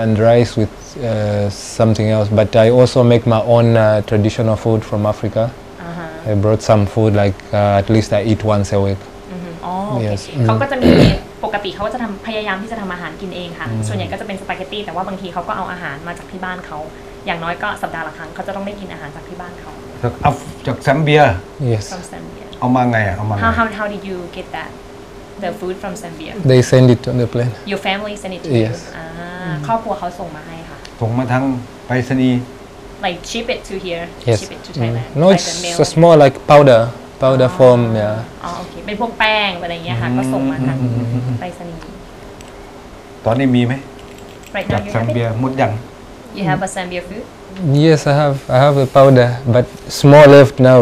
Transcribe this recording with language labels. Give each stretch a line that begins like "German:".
English: and rice with something else, but I also make my own traditional food from Africa. Uh-huh. I brought some food, like at least I eat once a week. Mm-hmm. Oh, yes.
Thai: เขาก็จะมีปกติเขาจะทำพยายามที่จะทำอาหารกินเองค่ะส่วนใหญ่ก็จะเป็นสปาเกตตี้แต่ว่าบางทีเขาก็เอาอาหารมาจากที่บ้านเขาอย่างน้อยก็สัปดาห์ละครั้งเขาจะต้องได้กินอาหารจากที่บ้านเขา จากแซมเบีย
English: yes
Thai: เอามาไงเอามา
English: How did you get that? The food from Zambia. They send it on the plane. Your family send it to yes. you. Yes.
Thai: ครอบครัวเขาส่งมาให้ค่ะ ส่งมาทางไปรษณีย์
English: Like ship it to here. Yes. Ship it to Thailand. Mm. No, like it's a small like powder form. Yeah.
Thai: โอเคเป็นพวกแป้งอะไรเงี้ยค่ะก็ส่งมาทางไปรษณีย์ตอนนี้มีไหมจากซัมเบียหมดยัง
English: You have a Zambia food? Yes, I have a powder, but small left now.